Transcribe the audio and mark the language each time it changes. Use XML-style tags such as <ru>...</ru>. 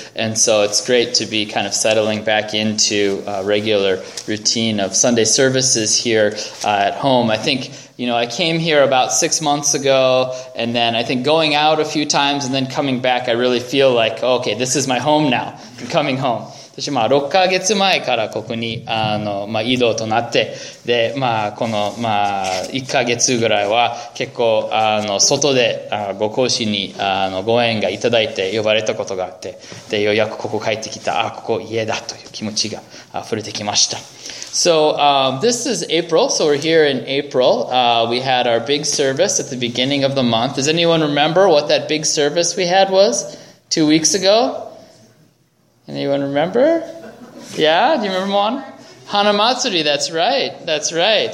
<en>And so it's great to be kind of settling back into a regular routine of Sunday services here at home. I think, you know, I came here about 6 months ago, and then I think going out a few times and then coming back, I really feel like, oh, okay, this is my home now. I'm coming home.</en> <ja>私は6ヶ月前からここに移動となって、で、この1ヶ月ぐらいは結構外でご講師にご縁がいただいて呼ばれたことがあって、で、ようやくここ帰ってきた、あ、ここ家だという気持ちが溢れてきました。</ja> <en>So, this is April, so we're here in April. We had our big service at the beginning of the month. Does anyone remember what that big service we had was 2 weeks ago? Anyone remember? Yeah? Do you remember one? Hanamatsuri, that's right. That's right.</en>